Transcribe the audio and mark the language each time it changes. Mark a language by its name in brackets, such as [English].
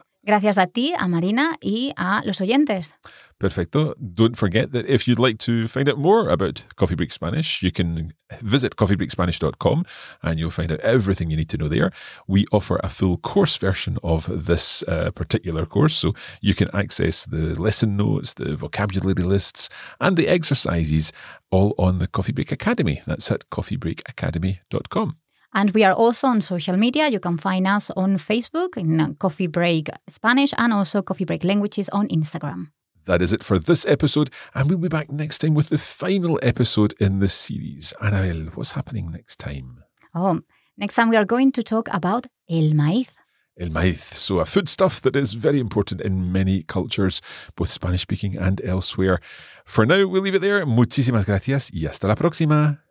[Spanish] Gracias a ti, a Marina y a los oyentes. Perfecto. [English] Don't forget that if you'd like to find out more about Coffee Break Spanish, you can visit coffeebreakspanish.com and you'll find out everything you need to know there. We offer a full course version of this particular course, so you can access the lesson notes, the vocabulary lists, and the exercises all on the Coffee Break Academy. That's at coffeebreakacademy.com. And we are also on social media. You can find us on Facebook in Coffee Break Spanish and also Coffee Break Languages on Instagram. That is it for this episode. And we'll be back next time with the final episode in the series. Anabel, what's happening next time? Oh, next time we are going to talk about el maíz. El maíz, so a foodstuff that is very important in many cultures, both Spanish-speaking and elsewhere. For now, we'll leave it there. [Spanish] Muchísimas gracias y hasta la próxima.